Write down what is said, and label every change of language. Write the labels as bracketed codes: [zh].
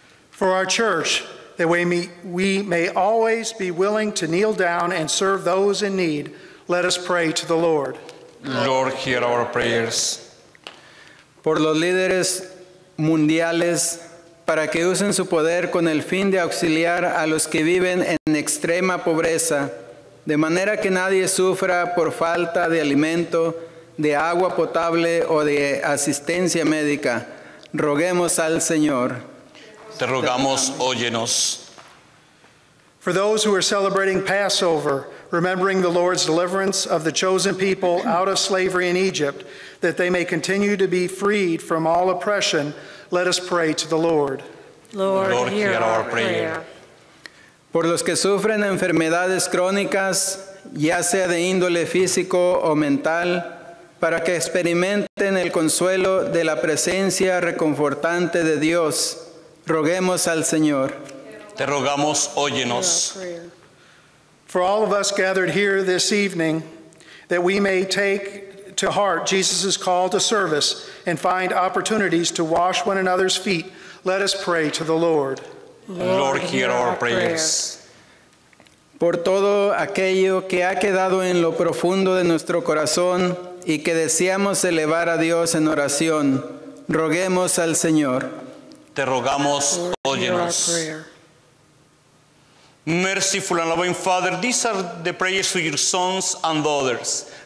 [en] For our church, that we may always be willing to kneel down and serve those in need, let us pray to the Lord. Lord, hear our prayers. [es] Por los líderes mundiales, para que usen su poder con el fin de auxiliar a los que viven en extrema pobreza, de manera que nadie sufra por falta de alimento, de agua potable o de asistencia médica, roguemos al Señor. Te rogamos, óyenos. [en] For those who are celebrating Passover, remembering the Lord's deliverance of the chosen people out of slavery in Egypt, that they may continue to be freed from all oppression, let us pray to the Lord. Lord, hear our prayer. [es] Por los que sufren enfermedades crónicas, ya sea de índole físico o mental, para que experimenten el consuelo de la presencia reconfortante de Dios, roguemos al Señor. Te rogamos, óyenos. [en] For all of us gathered here this evening, that we may take to heart Jesus' call to service and find opportunities to wash one another's feet, let us pray to the Lord. Lord, hear our prayers. [es] Por todo aquello que ha quedado en lo profundo de nuestro corazón y que deseamos elevar a Dios en oración, roguemos al Señor. Te rogamos, óyenos. [en] Merciful and loving Father, these are the prayers of your sons and daughters.